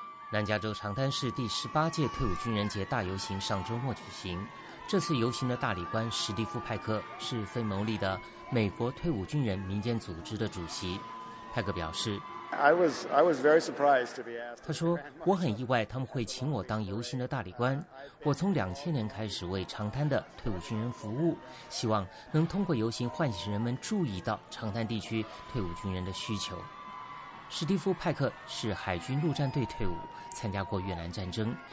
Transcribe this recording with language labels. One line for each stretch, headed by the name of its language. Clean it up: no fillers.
Chinese: 南加州长滩市第18届退伍军人节大游行上周末举行，这次游行的大礼官史蒂夫·派克是非牟利的美国退伍军人民间组织的主席。派克表示，
English: I was very surprised to be asked.
Chinese: 他说，我很意外他们会请我当游行的大礼官。我从2000年开始为长滩的退伍军人服务，希望能通过游行唤醒人们注意到长滩地区退伍军人的需求。史蒂夫·派克是海军陆战队退伍，参加过越南战争。